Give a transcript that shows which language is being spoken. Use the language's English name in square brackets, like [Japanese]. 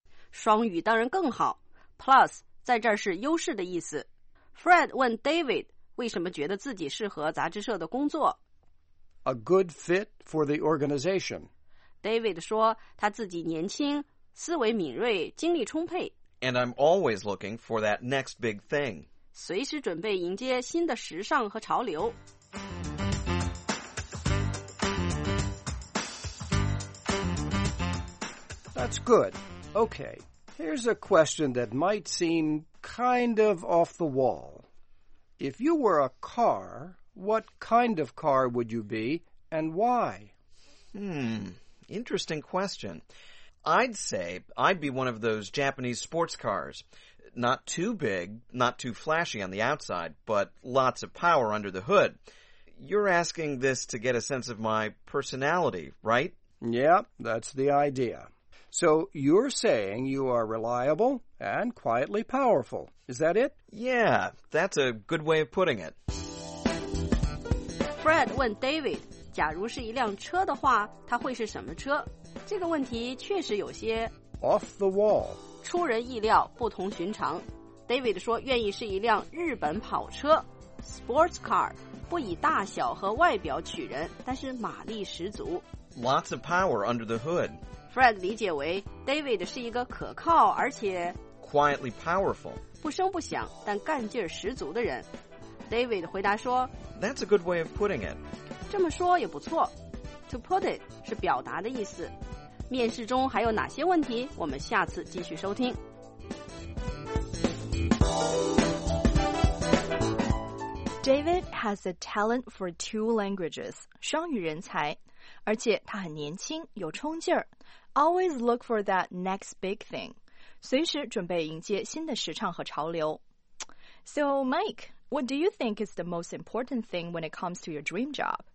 [Chinese] 双语当然更好 Plus 在这儿是优势的意思 Fred 问 David 为什么觉得自己适合杂志社的工作 [English] A good fit for the organization. [Chinese] David 说他自己年轻思维敏锐精力充沛 [English] And I'm always looking for that next big thing [Chinese] 随时准备迎接新的时尚和潮流 [English] That's good Okay, here's a question that might seem kind of off the wall If you were a car, what kind of car would you be and why? Interesting question. I'd say I'd be one of those Japanese sports cars. Not too big, not too flashy on the outside, but lots of power under the hood. You're asking this to get a sense of my personality, right? Yeah, that's the idea. So you're saying you are reliable and quietly powerful. Is that it? Yeah, that's a good way of putting it. [Chinese] Fred 问 David. 假如是一辆车的话，它会是什么车？这个问题确实有些 [English] off the wall， [Chinese] 出人意料，不同寻常。David 说愿意是一辆日本跑车 ，sports car， 不以大小和外表取人，但是马力十足。 [English] Lots of power under the hood。 [Chinese] Fred 理解为 David 是一个可靠而且 [English] quietly powerful， [Chinese] 不声不响但干劲十足的人。 David 回答说 [English] ，That's a good way of putting it。 [Chinese] 这么说也不错 [English] To put it [Chinese] 是表达的意思面试中还有哪些问题我们下次继续收听 [English] David has a talent for two languages [Chinese] 双语人才而且他很年轻有冲劲儿 [English] Always look for that next big thing [Chinese] 随时准备迎接新的时尚和潮流 [English] So Mike, what do you think is the most important thing when it comes to your dream job?